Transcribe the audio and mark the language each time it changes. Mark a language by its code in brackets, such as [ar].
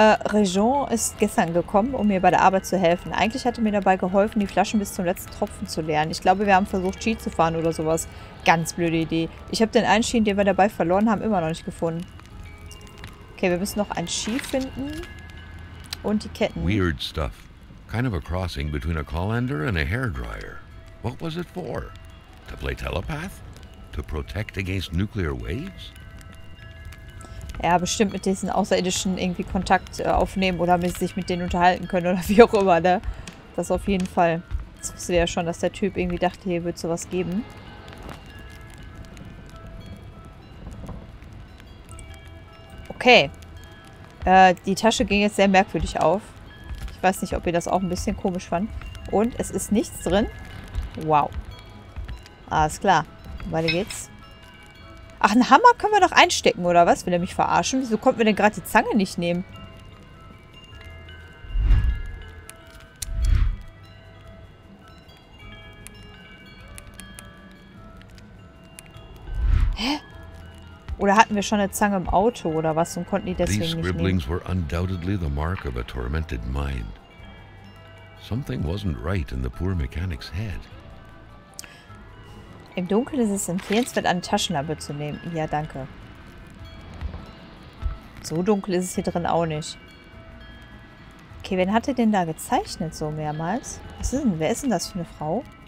[de] Region ist gestern gekommen, um mir bei der Arbeit zu helfen. Eigentlich hatte mir dabei geholfen, die Flaschen bis zum letzten Tropfen zu leeren. Ich glaube, wir haben versucht, Ski zu fahren oder sowas. Ganz blöde Idee. Ich habe den einen Ski, den wir dabei verloren haben, immer noch nicht gefunden. Okay, wir müssen noch ein Ski finden. Und die Ketten. [en] Weird stuff. Kind of a crossing between a colander and a hairdryer. What was it for? To play telepath? To protect against nuclear waves? [de] Ja, bestimmt mit diesen Außerirdischen irgendwie Kontakt aufnehmen oder sich mit denen unterhalten können oder wie auch immer, ne? Das auf jeden Fall. Das wusste ja schon, dass der Typ irgendwie dachte, hier wird sowas geben. Okay. Die Tasche ging jetzt sehr merkwürdig auf. Ich weiß nicht, ob ihr das auch ein bisschen komisch fand. Und es ist nichts drin. Wow. Alles klar. Weiter geht's. Ach, einen Hammer können wir doch einstecken, oder was? Will er mich verarschen? Wieso konnten wir denn gerade die Zange nicht nehmen? Hä? Oder hatten wir schon eine Zange im Auto, oder was? Und konnten die deswegen nicht nehmen? Diese Schriften waren [en] undoubtedly the mark of a tormented mind. Something wasn't right in the poor mechanic's head. [de] Im Dunkeln ist es empfehlenswert, eine Taschenlampe zu nehmen. Ja, danke. So dunkel ist es hier drin auch nicht. Okay, wen hat er denn da gezeichnet so mehrmals? Was ist denn, wer ist denn das für eine Frau?